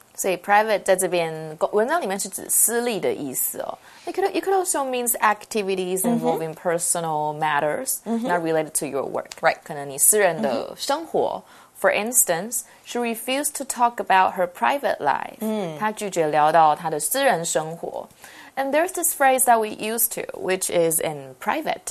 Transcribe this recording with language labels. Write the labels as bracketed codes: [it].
[zh] 所以 private 在这边文章里面是指私立的意思哦。 [en] It could also mean activities involving、mm-hmm. personal matters,、mm-hmm. not related to your work. Right. [zh] 可能你私人的生活。Mm-hmm. [en] For instance, she refused to talk about her private life.、 Mm. [zh] 她拒绝聊到她的私人生活。 [en] And there's this phrase that we use too, which is in private.、